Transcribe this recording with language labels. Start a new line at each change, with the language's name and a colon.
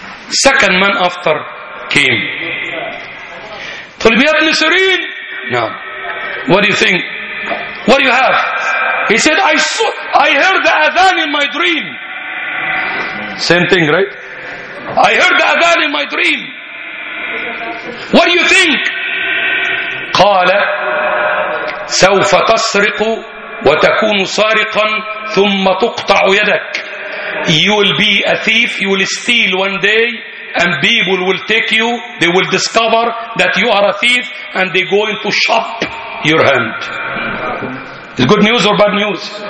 English: Second man after came. Tulbiyat Nisreen. No. What do you think? What do you have? He said, I heard the adhan in my dream. Same thing, right? I heard the adhan in my dream. What do you think?
Arabic: قال سوف تسرق وتكون سارقا ثم تقطع يدك.
English: You will be a thief, you will steal one day and people will take you, they will discover that you are a thief and they going to chop your hand. Is good news or bad news?